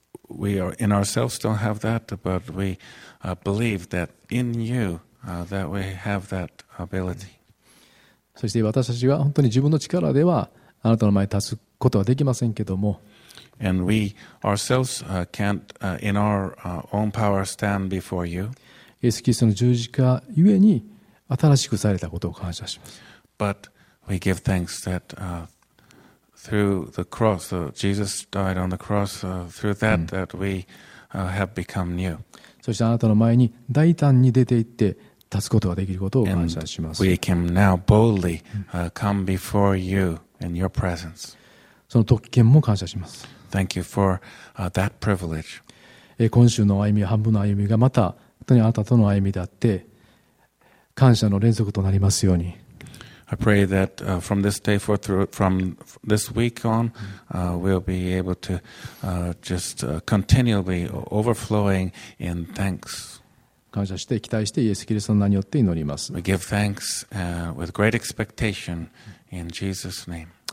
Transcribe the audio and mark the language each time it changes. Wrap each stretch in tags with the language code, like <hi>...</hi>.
<en>We are in ourselves don't have that, but we believe that in you that we have that ability.</en> <ja>そして私たちは本当に自分の力ではあなたの前に立つことはできませんけども。</ja> <en>And we ourselves can't in our own power stand before you.</en> <ja>イエス・キリストの十字架ゆえに新しくされたことを感謝します。</ja> <en>But we give thanks that through the cross, Jesus died on the cross. Through that, that we have become new.</en> <ja>そしてあなたの前に大胆に出て行って立つことができることを感謝します。</ja> <en>And we can now boldly come before you in your presence.</en> <ja>その特権も感謝します。</ja> <en>Thank you for that privilege.</en> <ja>今週の歩み、半分の歩みがまた本当にあなたとの歩みであって感謝の連続となりますように。</ja> <en>I pray that from this day forth, from this week on, we'll be able to just continually overflowing in thanks.</en> <ja>感謝して期待してイエス・キリストの名によって祈ります。</ja> <en>We give thanks with great expectation in Jesus' name.</en>